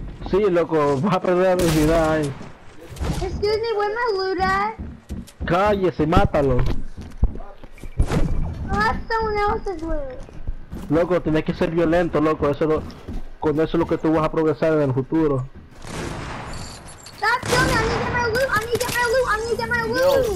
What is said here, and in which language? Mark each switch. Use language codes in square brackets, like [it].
[es] Sí, loco, vas a perder la dignidad ahí. [en] Excuse me, where my loot at? [es] Cállese, mátalo. [en] That's someone else's loot. [es] Loco, tienes que ser violento, loco. Eso lo, con eso es lo que tú vas a progresar en el futuro. [en] That's wrong. I need to get my loot. I need to get my loot. I need to get my loot.